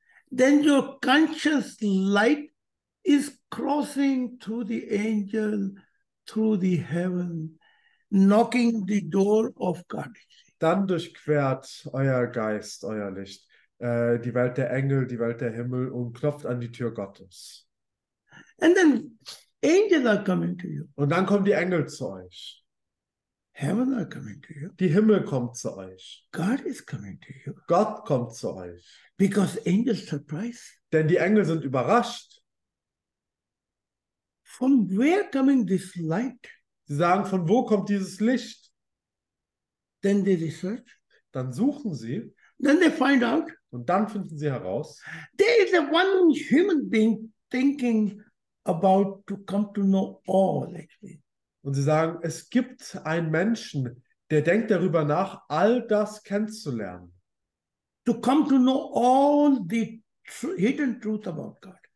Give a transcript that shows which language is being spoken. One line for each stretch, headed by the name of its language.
English: then your conscious light is crossing through the angel, through the heaven, knocking the door of God.
German: Dann durchquert euer Geist, euer Licht, die Welt der Engel, die Welt der Himmel und klopft an die Tür Gottes.
English: And then angels are coming to you.
German: Und dann kommen die Engel zu euch.
English: Heaven are coming to you.
German: Die Himmel kommt zu euch.
English: God is coming to you.
German: Gott kommt zu euch.
English: Because angels surprise.
German: Denn die Engel sind überrascht.
English: From where coming this light?
German: Sie sagen, von wo kommt dieses Licht?
English: Then they research.
German: Dann suchen sie.
English: Then they find out.
German: Und dann finden sie heraus.
English: There is a one human being thinking about to come to know all, actually.
German: Und sie sagen, es gibt einen Menschen, der denkt darüber nach, all das kennenzulernen.
English: To come to know all the hidden truth about God.